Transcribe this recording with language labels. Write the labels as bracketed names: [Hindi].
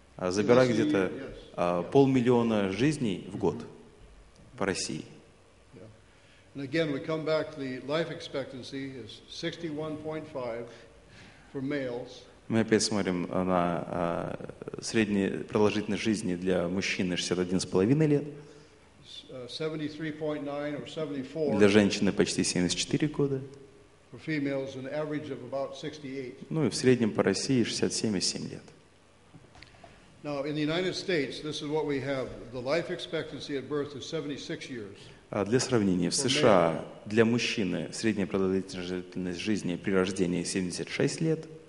[Russian] Забирает где-то полмиллиона жизней в год по России. [English] And again, we come back to the life expectancy is 61.5 for males. [Russian] Мы опять смотрим на среднюю продолжительность жизни для мужчины 61,5 лет. [English] 73.9 or 74. [Russian] Для женщины почти 74 года. [English] For females, an average of about 68. [Russian] Ну и в среднем по России 67,7 лет. [English] Now, in the United States, this is what we have. The life expectancy at birth is 76 years. [Russian] Для сравнения, в США для мужчины средняя продолжительность жизни при рождении 76 лет.